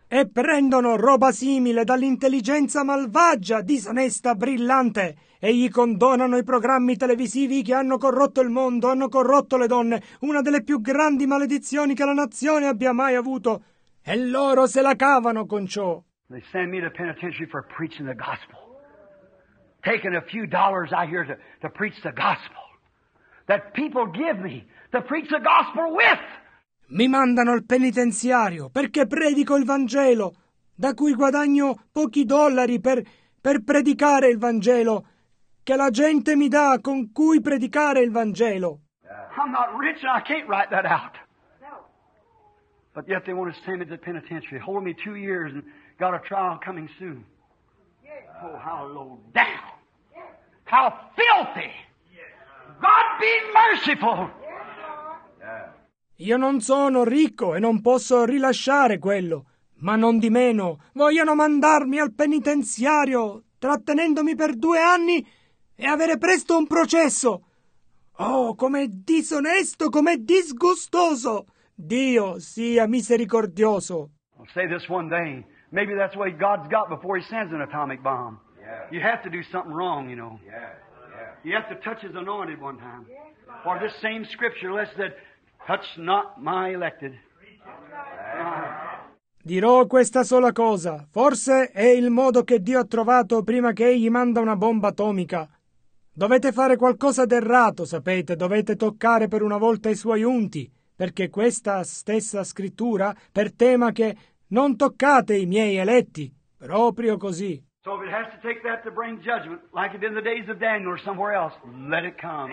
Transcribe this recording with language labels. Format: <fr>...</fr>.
<it>E prendono roba simile dall'intelligenza malvagia, disonesta, brillante. E gli condonano i programmi televisivi che hanno corrotto il mondo, hanno corrotto le donne. Una delle più grandi maledizioni che la nazione abbia mai avuto. E loro se la cavano con ciò.</it> <en>They send me to penitentiary for preaching the gospel. Taking a few dollars out here to preach the gospel. That people give me to preach the gospel with.</en> <it>Mi mandano al penitenziario perché predico il Vangelo, da cui guadagno pochi dollari per predicare il Vangelo, che la gente mi dà con cui predicare il Vangelo.</it> <en>I'm not rich and I can't write that out. But yet they want to send me to the penitentiary. Hold me 2 years and got a trial coming soon. Oh, how low down. How filthy. God be merciful.</en> <it>Io non sono ricco e non posso rilasciare quello, ma non di meno vogliono mandarmi al penitenziario, trattenendomi per 2 anni e avere presto un processo. Oh, com'è disonesto, com'è disgustoso! Dio sia misericordioso.</it> <en>I'll say this one thing. Maybe that's what God's got before he sends an atomic bomb. Yeah. You have to do something wrong, you know. Yeah. You have to touch his anointed one time. Yeah. For this same scripture, let's say, touch not my elected.</en> <it>Dirò questa sola cosa. Forse è il modo che Dio ha trovato prima che egli manda una bomba atomica. Dovete fare qualcosa d'errato, sapete. Dovete toccare per una volta i suoi unti. Perché questa stessa scrittura per tema che non toccate i miei eletti, proprio così.</it> <en>So if it has to take that to bring judgment, like it in the days of Daniel or somewhere else, let it come.</en>